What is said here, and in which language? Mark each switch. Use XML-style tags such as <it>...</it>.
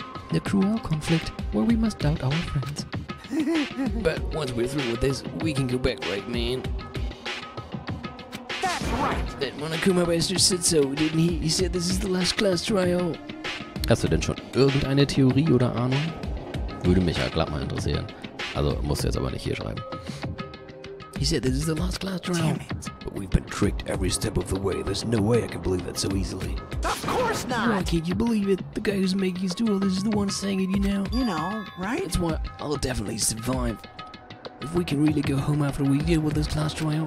<en>The cruel conflict where we must doubt our friends. But once we're through with this, we can go back, right, man? That's right. That Monokuma bastard said so, didn't he? He said this is the last class trial.</en> <de>Hast du denn schon irgendeine Theorie oder Ahnung? Würde mich ja glatt mal interessieren. Also, musst du jetzt aber nicht hier schreiben.</de> <en>He said this is the last class trial. Damn it. But we've been tricked every step of the way. There's no way I can believe that so easily. Of course not! Why can't you believe it? The guy who's making his duel is the one saying it, you know? You know, right? That's why I'll definitely survive. If we can really go home after we deal with this class trial,</en>